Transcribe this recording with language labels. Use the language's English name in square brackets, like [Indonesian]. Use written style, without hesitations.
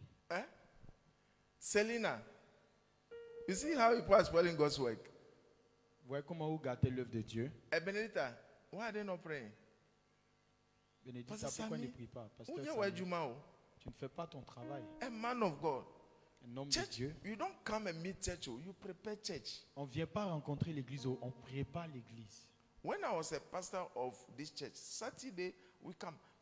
[English] Eh? Selena, you see how people are spoiling God's work. [French] Voyez comment vous gâtez l'œuvre de Dieu. [English] Eh, Benedita, why are they not praying? [French] Benedita, pourquoi ne prie pas? Pasteur Samy, tu ne fais pas ton travail. [English] A man of God. [French] Un homme [English] church, [French] de Dieu. [English] You don't come and meet church, you prepare church. [French] On vient pas rencontrer l'église, on prépare l'église. [English] When I was a pastor of this church, Saturday we come.